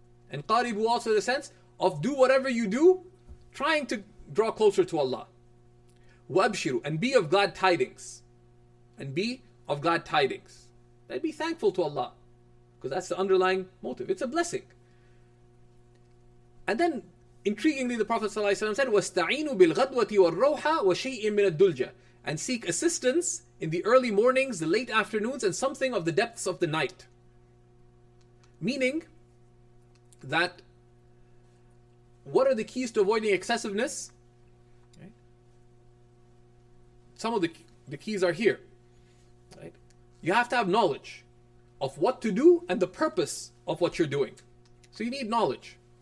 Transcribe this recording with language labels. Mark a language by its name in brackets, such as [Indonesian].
[English] And قَارِبُ also the sense of do whatever you do, trying to draw closer to Allah. وَأَبْشِرُ. And be of glad tidings. And be of glad tidings. And be thankful to Allah. Because that's the underlying motive. It's a blessing. And then, intriguingly, the Prophet ﷺ said, [Arabic] وَاسْتَعِينُوا بِالْغَدْوَةِ وَالرَّوْحَةِ وَشَيْءٍ مِنَ الدُّلْجَةِ. [English] And seek assistance in the early mornings, the late afternoons, and something of the depths of the night. Meaning that, what are the keys to avoiding excessiveness? Right. Some of the keys are here. Right. You have to have knowledge of what to do and the purpose of what you're doing. So you need knowledge.